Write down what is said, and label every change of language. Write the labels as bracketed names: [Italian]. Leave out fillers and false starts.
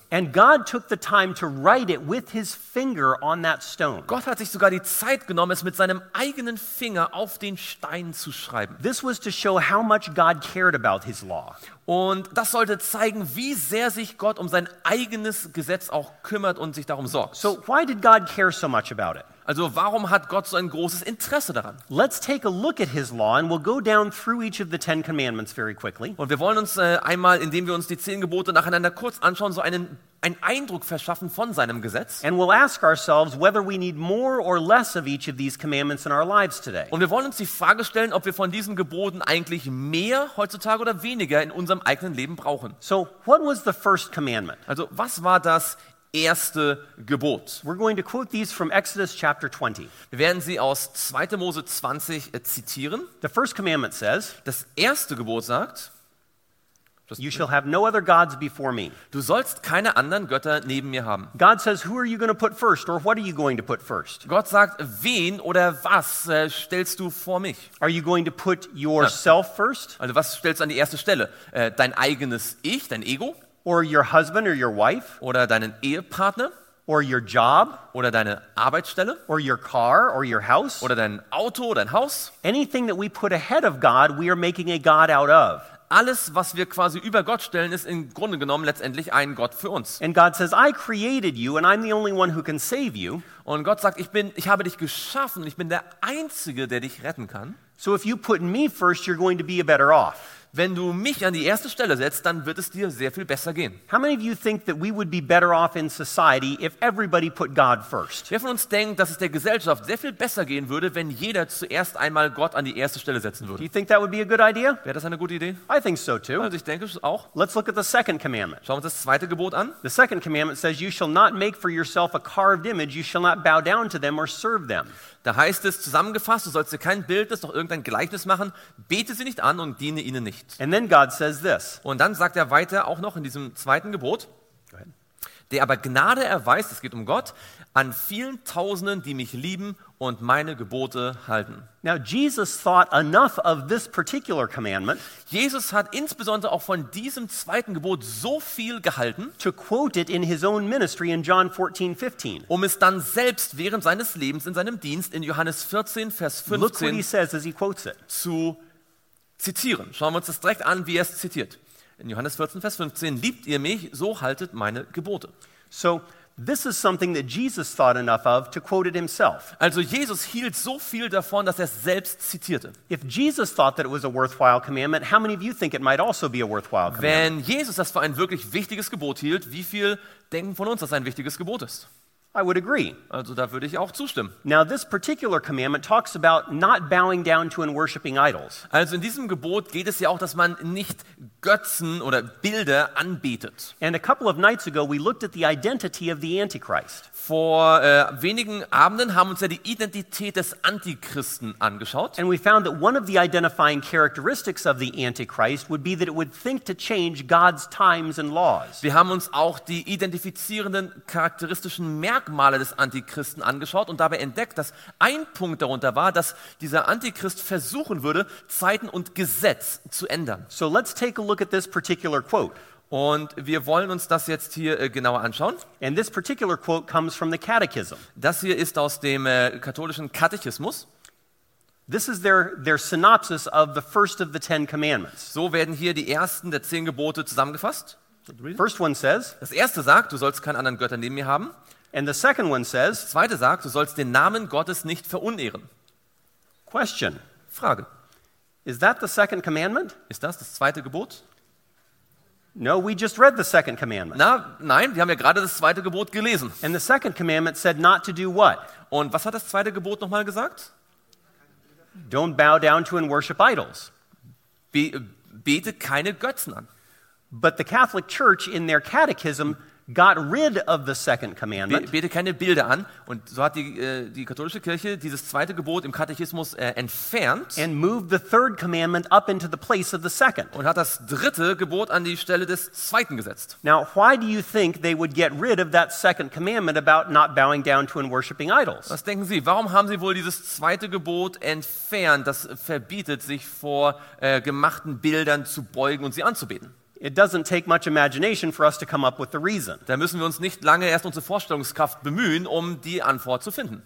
[English] And God took the time to write it with his finger on that stone. [German] Gott hat sich sogar die Zeit genommen, es mit seinem eigenen Finger auf den Stein zu schreiben. [English] This was to show how much God cared about his law. [German] Und das sollte zeigen, wie sehr sich Gott um sein eigenes Gesetz auch kümmert und sich darum sorgt. [English] So why did God care so much about it? [German] Also warum hat Gott so ein großes Interesse daran? [English] Let's take a look at his law and we'll go down through each of the Ten Commandments very quickly. [German] Und wir wollen uns einmal, indem wir uns die 10 Gebote nacheinander kurz anschauen, so einen Eindruck verschaffen von seinem Gesetz. [English] And we'll ask ourselves whether we need more or less of each of these commandments in our lives today. [German] Und wir wollen uns die Frage stellen, ob wir von diesen Geboten eigentlich mehr heutzutage oder weniger in unserem eigenen Leben brauchen. [English] So what was the first commandment? [German] Also was war das erste Gebot? [English] We're going to quote these from Exodus chapter 20. [German] Wir werden sie aus 2. Mose 20 zitieren. [English] The first commandment says, [German] das erste Gebot sagt, [English] you shall have no other gods before me. [German] Du sollst keine anderen Götter neben mir haben. [English] God says, who are you going to put first or what are you going to put first? [German] Gott sagt, wen oder was stellst du vor mich? [English] Are you going to put yourself first? [German] Also was stellst du an die erste Stelle? Dein eigenes Ich, dein Ego? [English] Or your husband or your wife? [German] Oder deinen Ehepartner? [English] Or your job? [German] Oder deine Arbeitsstelle? [English] Or your car or your house? [German] Oder dein Auto, dein Haus? [English] Anything that we put ahead of God, we are making a god out of. [German] alles, was wir quasi über Gott stellen, ist im Grunde genommen letztendlich ein Gott für uns. [English] And God says, I created you and I'm the only one who can save you. [German] Und Gott sagt, ich habe dich geschaffen, ich bin der Einzige, der dich retten kann. [English] So if you put me first, you're going to be better off. [German] Wenn du mich an die erste Stelle setzt, dann wird es dir sehr viel besser gehen. [English] How many of you think that we would be better off in society if everybody put God first? [German] Wer von uns denkt, dass es der Gesellschaft sehr viel besser gehen würde, wenn jeder zuerst einmal Gott an die erste Stelle setzen würde? [English] Do you think that would be a good idea? [German] Wäre das eine gute Idee? [English] I think so too. [German] Also ich denke es auch. [English] Let's look at the second commandment. [German] Schauen wir uns das zweite Gebot an. [English] The second commandment says, "You shall not make for yourself a carved image. You shall not bow down to them or serve them." [German] Da heißt es zusammengefasst, du sollst dir kein Bildnis noch irgendein Gleichnis machen, bete sie nicht an und diene ihnen nicht. [English] And then God says this. [German] Und dann sagt er weiter auch noch in diesem zweiten Gebot, der aber Gnade erweist, es geht um Gott, an vielen Tausenden, die mich lieben und meine Gebote halten. [English] Now Jesus thought enough of this particular commandment. [German] Jesus hat insbesondere auch von diesem zweiten Gebot so viel gehalten, [English] to quote it in his own ministry in John 14:15. [German] Um es dann selbst während seines Lebens in seinem Dienst in Johannes 14 Vers 15. [English] Look what he says as he quotes it. [German] Zu zitieren. Schauen wir uns das direkt an, wie er es zitiert. In Johannes 14 Vers 15: Liebt ihr mich, so haltet meine Gebote. [English] So this is something that Jesus thought enough of to quote it himself. [German] Also Jesus hielt so viel davon, dass er es selbst zitierte. [English] If Jesus thought that it was a worthwhile commandment, how many of you think it might also be a worthwhile commandment? [German] Wenn Jesus das für ein wirklich wichtiges Gebot hielt, wie viel denken von uns, dass es ein wichtiges Gebot ist? [English] I would agree. [German] Also da würde ich auch zustimmen. [English] Now this particular commandment talks about not bowing down to and worshiping idols. [German] Also in diesem Gebot geht es ja auch, dass man nicht Götzen oder Bilder anbetet. [English] And a couple of nights ago we looked at the identity of the Antichrist. [German] Vor wenigen Abenden haben uns ja die Identität des Antichristen angeschaut. [English] And we found that one of the identifying characteristics of the Antichrist would be that it would think to change God's times and laws. [German] Wir haben uns auch die identifizierenden charakteristischen Merkmale des Antichristen angeschaut und dabei entdeckt, dass ein Punkt darunter war, dass dieser Antichrist versuchen würde, Zeiten und Gesetz zu ändern. [English] So let's take a look at this particular quote. [German] Und wir wollen uns das jetzt hier genauer anschauen. [English] And this particular quote comes from the catechism. [German] Das hier ist aus dem katholischen Katechismus. [English] This is their synopsis of the first of the Ten Commandments. [German] So werden hier die ersten der zehn Gebote zusammengefasst. [English] First one says, [German] das erste sagt, du sollst keinen anderen Götter neben mir haben. [English] And the second one says, [German] das zweite sagt, du sollst den Namen Gottes nicht verunehren. [English] Question. [German] Frage. [English] Is that the second commandment? [German] Ist das das zweite Gebot? [English] No, we just read the second commandment. [German] Na, nein, wir haben ja gerade das zweite Gebot gelesen. [English] And the second commandment said not to do what? [German] Und was hat das zweite Gebot nochmal gesagt? [English] Don't bow down to and worship idols. [German] Bete keine Götzen an. [English] But the Catholic Church in their catechism got rid of the second commandment. [German] Bete keine Bilder an. Und so hat die katholische Kirche dieses zweite Gebot im Katechismus entfernt. [English] And moved the third commandment up into the place of the second. [German] Und hat das dritte Gebot an die Stelle des zweiten gesetzt. [English] Now, why do you think they would get rid of that second commandment about not bowing down to and worshiping idols? [German] Was denken Sie, warum haben Sie wohl dieses zweite Gebot entfernt, das verbietet, sich vor gemachten Bildern zu beugen und sie anzubeten? [English] It doesn't take much imagination for us to come up with the reason. [German] Da müssen wir uns nicht lange erst unsere Vorstellungskraft bemühen, um die Antwort zu finden.